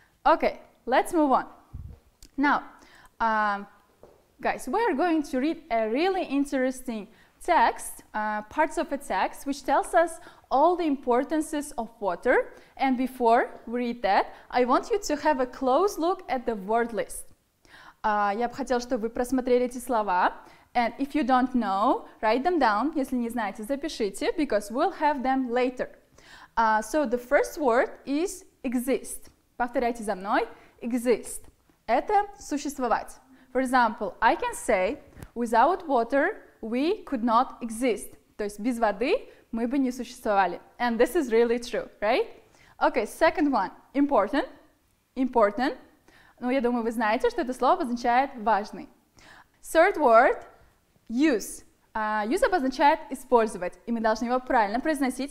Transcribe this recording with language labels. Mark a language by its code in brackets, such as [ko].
[en] Okay, let's move on. Now, guys, we are going to read a really interesting text, parts of a text, which tells us all the importances of water. And before we read that, I want you to have a close look at the word list. [ru] Я бы хотела, чтобы вы просмотрели эти слова. [en] And if you don't know, write them down. [ru] Если не знаете, запишите, [en] because we'll have them later. So the first word is exist. [ru] Повторяйте за мной. [en] Exist. [ru] Это существовать. [en] For example, I can say, without water, we could not exist. [ru] То есть без воды мы бы не существовали. [en] And this is really true, right? Okay, second one. Important. Important. [ru] Ну, я думаю, вы знаете, что это слово означает важный. [en] Third word. Use. [ru] Use обозначает использовать, и мы должны его правильно произносить.